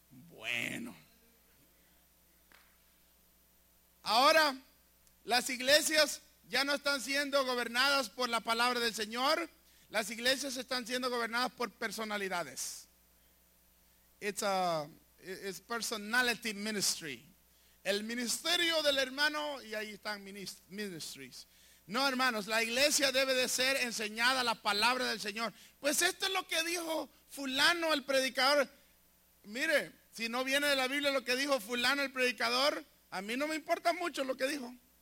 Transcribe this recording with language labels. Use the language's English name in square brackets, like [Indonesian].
[Spanish] Bueno. Ahora, las iglesias ya no están siendo gobernadas por la palabra del Señor. Las iglesias están siendo gobernadas por personalidades. [English] It's personality ministry. [Spanish] El ministerio del hermano, y ahí están ministries. No, hermanos, la iglesia debe de ser enseñada la palabra del Señor. Pues esto es lo que dijo fulano el predicador. Mire, si no viene de la Biblia lo que dijo fulano el predicador, a mí no me importa mucho lo que dijo.